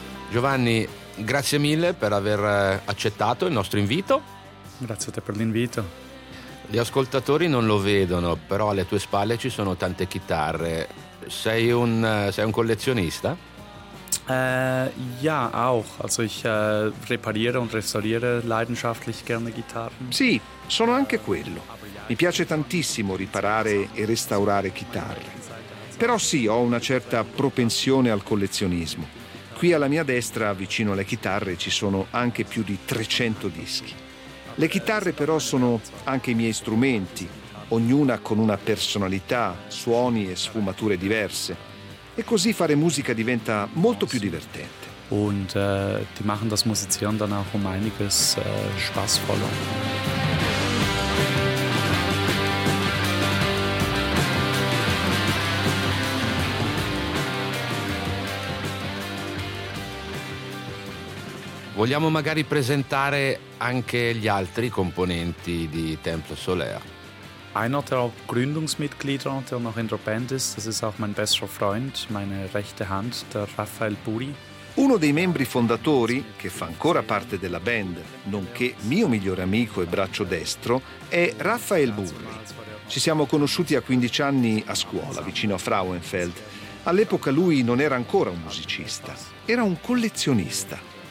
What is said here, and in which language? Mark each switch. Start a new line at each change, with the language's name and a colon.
Italian: Giovanni, grazie mille per aver accettato il nostro invito. Grazie a te per l'invito. Gli ascoltatori non lo vedono, però alle tue spalle ci sono tante chitarre. Sei un collezionista?
German: Auch. Also ich repariere und restauriere leidenschaftlich gerne Gitarren.
Italian: Sì, sono anche quello. Mi piace tantissimo riparare e restaurare chitarre. Però sì, ho una certa propensione al collezionismo. Qui alla mia destra, vicino alle chitarre, ci sono anche più di 300 dischi. Le chitarre però sono anche i miei strumenti, ognuna con una personalità, suoni e sfumature diverse. E così fare musica diventa molto più divertente.
German: Und ti machen das Musizieren dann auch einiges spaßvoller.
Italian: Vogliamo magari presentare anche gli altri componenti di Temple Solaire.
German: Einer der Gründungsmitglieder, der noch in der Band ist, das ist auch mein bester Freund, meine rechte Hand, der Raphael Buri.
Italian: Uno dei membri fondatori, che fa ancora parte della band, nonché mio migliore amico e braccio destro, è Raphael Buri. Ci siamo conosciuti a 15 anni a scuola, vicino a Frauenfeld. All'epoca lui non era ancora un musicista, era un collezionista.